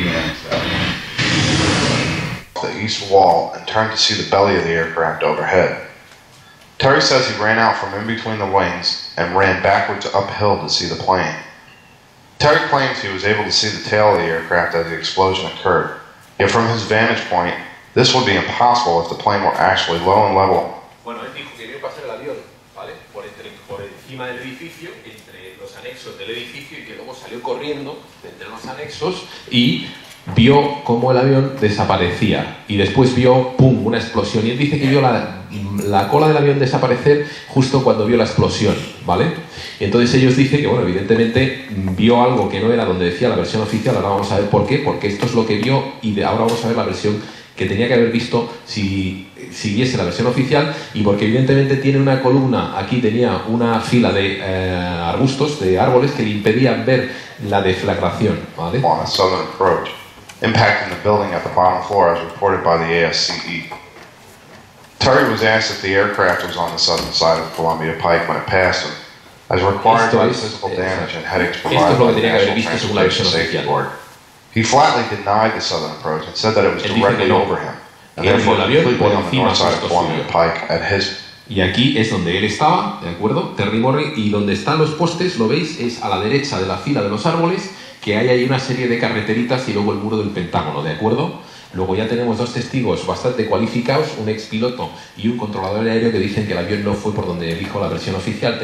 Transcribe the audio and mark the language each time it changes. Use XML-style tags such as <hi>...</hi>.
<en>The east wall and turned to see the belly of the aircraft overhead. Terry says he ran out from in between the wings and ran backwards uphill to see the plane. Terry claims he was able to see the tail of the aircraft as the explosion occurred. Yet from his vantage point, this would be impossible if the plane were actually low and level.</en> <es>Bueno, él dijo que vio pasar el avión, ¿vale? Por encima del edificio, entre los anexos del edificio, y que luego salió corriendo entre los anexos y vio cómo el avión desaparecía. Y después vio, pum, una explosión. Y él dice que vio la cola del avión desaparecer justo cuando vio la explosión, ¿vale? Entonces ellos dicen que, bueno, evidentemente vio algo que no era donde decía la versión oficial. Ahora vamos a ver por qué, porque esto es lo que vio, y ahora vamos a ver la versión que tenía que haber visto si viese la versión oficial, y porque evidentemente tiene una columna, aquí tenía una fila de arbustos, de árboles, que le impedían ver la deflagración, ¿vale?</es> <en>On a southern approach, impacting the building at the bottom floor as reported by the ASCE. Terry was asked if the aircraft was on the southern side of Columbia Pike when it passed him. As required by the physical damage and headaches provided by the National Transportation Safety Board. He flatly denied the southern approach and said that it was directly over him, and therefore completely on the north side of Columbia Pike at his...</en> <es>Y aquí es donde él estaba, ¿de acuerdo? Terry Morris, y donde están los postes, lo veis, es a la derecha de la fila de los árboles, que hay ahí una serie de carreteritas y luego el muro del Pentágono, ¿de acuerdo? Luego ya tenemos dos testigos bastante cualificados, un expiloto y un controlador aéreo, que dicen que el avión no fue por donde dijo la versión oficial.</es>